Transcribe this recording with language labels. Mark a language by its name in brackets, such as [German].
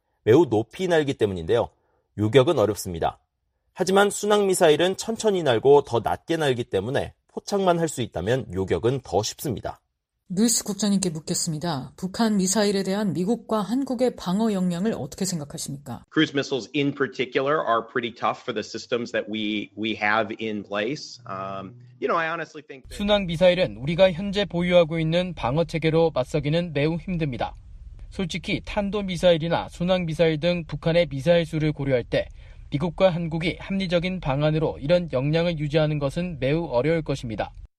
[Korean] 매우 높이 날기 때문인데요. 요격은 어렵습니다. 하지만 순항미사일은 천천히 날고 더 낮게 날기 때문에 포착만 할 수 있다면 요격은 더 쉽습니다. 루이스 국장님께 묻겠습니다. 북한 미사일에 대한 미국과 한국의 방어 역량을 어떻게 생각하십니까? [English] Cruise missiles in particular are pretty tough for the systems that we have in place. You know, I honestly think that [Korean] 순항 미사일은 우리가 현재 보유하고 있는 방어 체계로 맞서기는 매우 힘듭니다. 솔직히 탄도 미사일이나 순항 미사일 등 북한의 미사일 수를 고려할 때 미국과 한국이 합리적인 방안으로 이런 역량을 유지하는 것은 매우 어려울 것입니다.